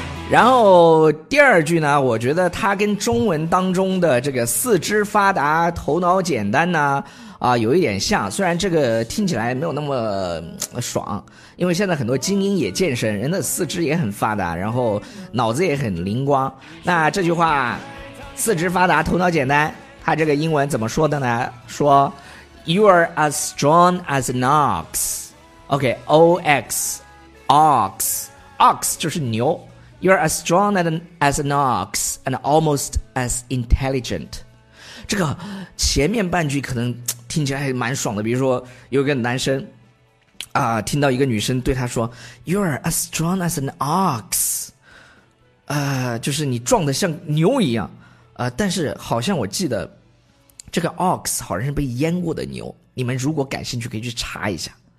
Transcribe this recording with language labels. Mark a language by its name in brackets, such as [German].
[Chinese] 然后第二句呢，我觉得它跟中文当中的这个四肢发达、头脑简单呢。有一点像，虽然这个听起来没有那么爽，因为现在很多精英也健身，人的四肢也很发达，然后脑子也很灵光。那这句话，四肢发达，头脑简单，他这个英文怎么说的呢？ [English] 说 ，You are as strong as an ox. [Chinese] OK, O-X, ox, ox 就是牛。 [English] You are as strong as an ox and almost as intelligent. [Chinese] 这个前面半句可能听起来还蛮爽的，比如说有个男生听到一个女生对他说 [English] You are as strong as an ox， [Chinese] 就是你壮得像牛一样，但是好像我记得这个 ox 好像是被阉过的牛，你们如果感兴趣可以去查一下。